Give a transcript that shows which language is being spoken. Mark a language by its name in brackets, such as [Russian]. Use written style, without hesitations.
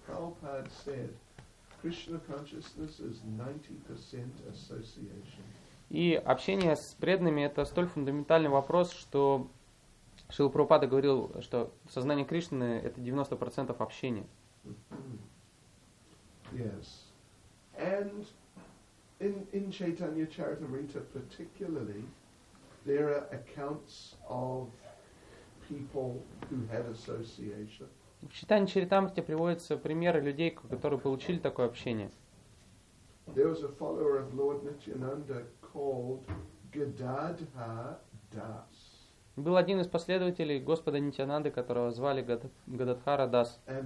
[English] Prabhupada said, Krishna consciousness is 90% association. [Russian] И общение с преданными это столь фундаментальный вопрос, что Шрила Прабхупада говорил, что сознание Кришны – это 90% общения. [English] Yes. And in Chaitanya Charitamrita particularly, there are accounts of people who had association. [Russian] В Чайтанья Чаритамрите приводятся примеры людей, которые получили такое общение. [English] There was a follower of Lord Nityananda called Gadadhar Das. [Russian] Был один из последователей Господа Нитянанды, которого звали Гададхара Дас.